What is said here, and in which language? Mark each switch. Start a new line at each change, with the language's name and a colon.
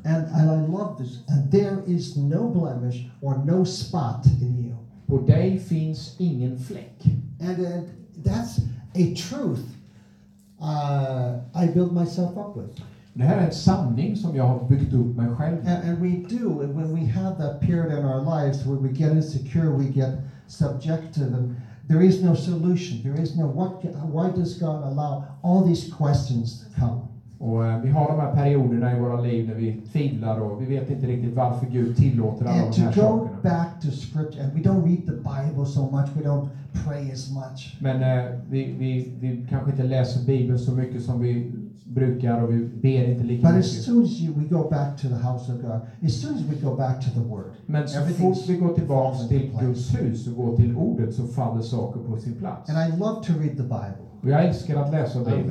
English: And I love this. And there is no blemish or no spot in you.
Swedish: På dig finns ingen fläck.
English: And that's a truth. I build myself up with.
Swedish: Det här är en sanning som jag har byggt upp mig själv.
English: And we do, and when we have that period in our lives where we get insecure, we get subjective, and there is no solution. There is no why does God allow all these questions to come?
Swedish: Och vi har de här perioderna i våra liv när vi tvivlar och vi vet inte riktigt varför Gud tillåter alla de här sakerna.
English: And to go back to scripture, and we don't read the Bible so much, we don't pray as much.
Swedish: Men vi kanske inte läser Bibeln så mycket som vi brukar och vi ber inte lika mycket.
English: But as soon as we go back to the house of God, as soon as we go back to the word.
Swedish: Men så fort vi går tillbaka till Guds hus och går till ordet så faller saker på sin plats.
English: And I love to read the Bible.
Swedish: Jag älskar att läsa Bibeln.